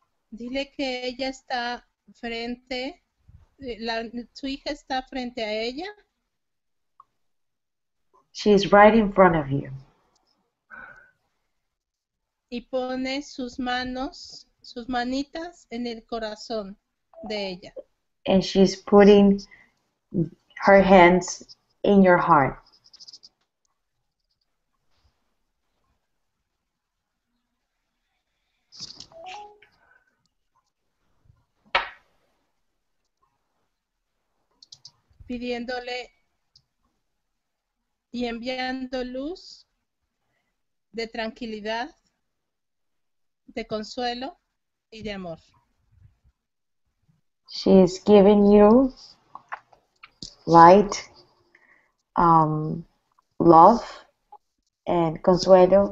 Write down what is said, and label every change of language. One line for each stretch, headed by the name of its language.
Spanish: Dile que ella está frente, su hija está frente a ella.
English: She is right in front of you.
Spanish: Y pone sus manos, sus manitas en el corazón de ella.
English: And she's putting her hands in your heart.
Spanish: Pidiéndole y enviando luz de tranquilidad, de consuelo y de amor.
English: She is giving you light, love and consuelo.